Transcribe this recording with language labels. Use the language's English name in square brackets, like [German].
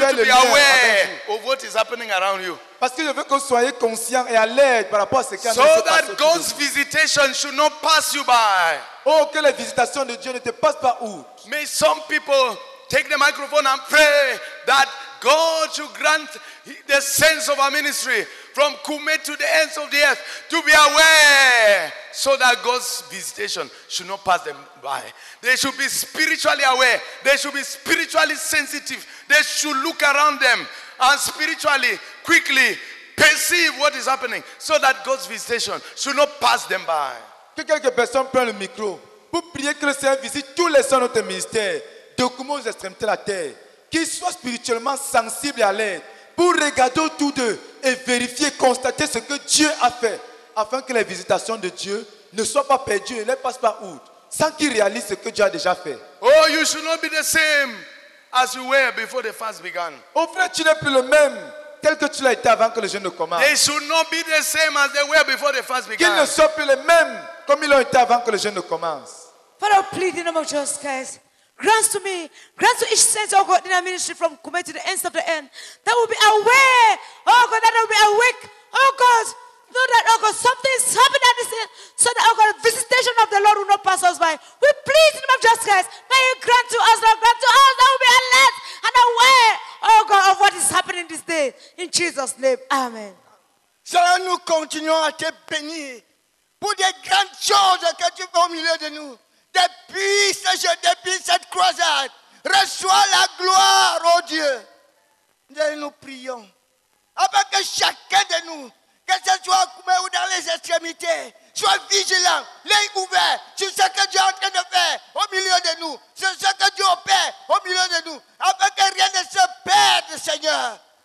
[English] you to be aware of what is happening around you. [French] Parce que je veux que vous soyez conscient et alerte par rapport à ce qui [English] so [French] se passe autour de vous. [English] So that God's visitation should not pass you by. [French] Oh, que les visitations de Dieu ne te passent pas où. [English] May some people take the microphone and pray that God should grant the sense of our ministry from Kume to the ends of the earth to be aware so that God's visitation should not pass them by. They should be spiritually aware. They should be spiritually sensitive. They should look around them and spiritually, quickly perceive what is happening so that God's visitation should not pass them by. [French] que quelques personnes prennent le micro pour prier que le Seigneur visite tous les saints de notre ministère, de Kumo aux extrémités de la terre, qu'ils soient spirituellement sensibles et alertes pour regarder autour d'eux et vérifier, constater ce que Dieu a fait, afin que les visitations de Dieu ne soient pas perdues et ne passent pas outre, sans qu'ils réalisent ce que Dieu a déjà fait. [English] Oh, you should not be the same as you were before the fast began. [French] Oh frère, tu n'es plus le même tel que tu l'as été avant que le jeûne ne commence. [English] They should not be the same as they were before the fast began. [French] Qu'ils ne soient plus les mêmes comme ils l'ont été avant que le jeûne ne commence. [English] Father, please, in the name of Jesus Christ, grant to me, grant to each saint, oh God, in our ministry from Kumeh to the ends of the end, that will be aware, oh God, that will be awake, oh God, know that, oh God, something is happening at this end, so that, oh God, visitation of the Lord will not pass us by. We please, in the name of Jesus Christ, may you grant to us, Lord, grant to us that will be alert and aware, oh God, of what is happening this day. In Jesus' name, amen. [French] Seigneur, nous continuons à te bénir pour des grandes choses que tu fais au milieu de nous. Depuis ce jeu, depuis cette croisade, reçois la gloire, oh Dieu. Nous prions afin que chacun de nous, que ce soit à Kumé ou dans les extrémités, soit vigilant, l'œil ouvert sur ce que Dieu est en train de faire au milieu de nous, sur ce que Dieu opère au milieu de nous, afin que rien ne se perde, Seigneur.